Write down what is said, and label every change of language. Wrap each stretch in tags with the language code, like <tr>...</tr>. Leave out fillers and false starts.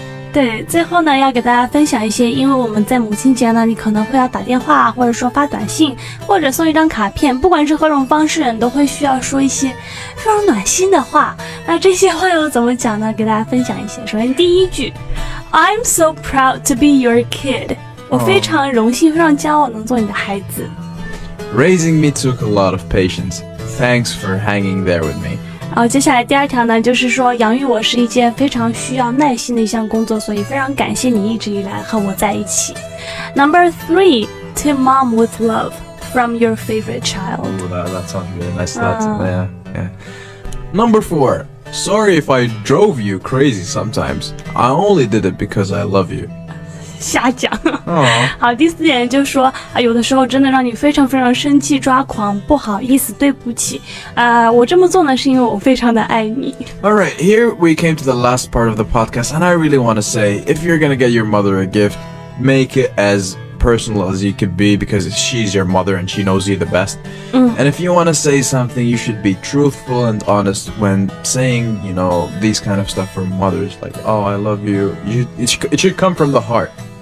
<zh>对最后呢要给大家分享一些因为我们在母亲节呢你可能会要打电话或者说发短信或者送一张卡片不管是何种方式你都会需要说一些非常暖心的话那这些话又怎么讲呢给大家分享一些首先第一句</zh> <en>I'm so proud to be your kid</en> <zh>我非常荣幸非常骄傲能做你的孩子</zh> <en>Raising me took a lot of patience Thanks for hanging there with me</en> <zh>然后接下来第二条呢就是说养育我是一件非常需要耐心的一项工作所以非常感谢你一直以来和我在一起</zh> <en>Number three To mom with love From your favorite child Ooh, that sounds really nice yeah. Number four Sorry if I drove you crazy sometimes I only did it because I love you</en> <zh>瞎讲、好第四点就是说、有的时候真的让你非常非常生气抓狂不好意思对不起、我这么做呢是因为我非常的爱你</zh> <en>Alright, here we came to the last part of the podcast and I really want to say if you're going to get your mother a gift make it as personal as you could be because she's your mother and she knows you the best、and if you want to say something you should be truthful and honest when saying you know these kind of stuff from mothers like oh I love you, it should come from the heart</en>